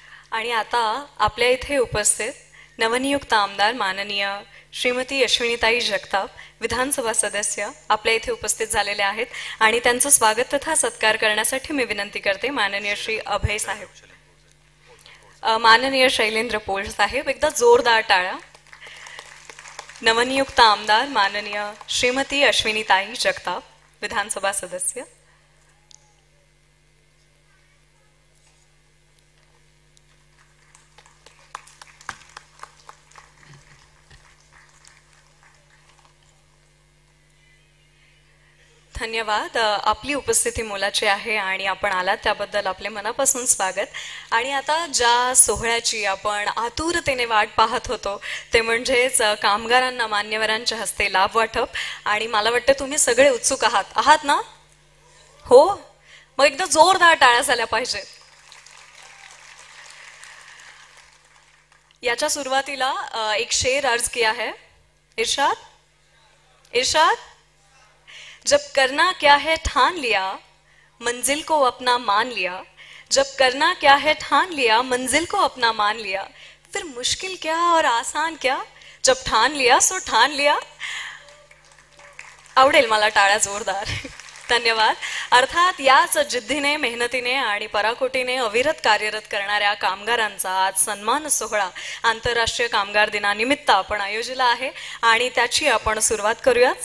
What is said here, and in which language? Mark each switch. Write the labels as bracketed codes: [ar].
[mr] आणि आता आपल्या इथे उपस्थित नवनियुक्त आमदार माननीय श्रीमती अश्विनीताई जगताप विधानसभा सदस्य आपल्या इथे उपस्थित झालेले आहेत आणि त्यांचं स्वागत तथा सत्कार करण्यासाठी मी विनंती करते माननीय श्री अभय साहेब, माननीय शैलेंद्र पोळ साहेब, एकदा जोरदार टाळा. नवनियुक्त आमदार माननीय श्रीमती अश्विनीताई जगताप विधानसभा सदस्य. धन्यवाद, आपली उपस्थिती मोलाची आहे आणि आपण आलात त्याबद्दल आपले मनापासून स्वागत. आणि आता ज्या सोहळ्याची आपण आतुरतेने वाट पाहत होतो ते म्हणजेच कामगारांना मान्यवरांच्या हस्ते लाभ वाटप. आणि मला वाटतं तुम्ही सगळे उत्सुक आहात. आहात ना? हो, मग एकदा जोरदार टाळ्या झाल्या पाहिजे. याच्या सुरुवातीला [hi] एक शेर अर्ज किया है. इर्शाद, इर्शाद, जब करना क्या है ठान लिया मंजिल को अपना मान लिया, जब करना क्या है ठान लिया मंजिल को अपना मान लिया, फिर मुश्किल क्या और आसान क्या, जब ठान लिया सो ठान लिया. [mr] आवडेल मला टाळ्या जोरदार. धन्यवाद. अर्थात याच जिद्दीने, मेहनतीने आणि पराकोटीने अविरत कार्यरत करणाऱ्या कामगारांचा आज सन्मान सोहळा आंतरराष्ट्रीय कामगार दिनानिमित्त आपण आयोजला आहे आणि त्याची आपण सुरुवात करूयात.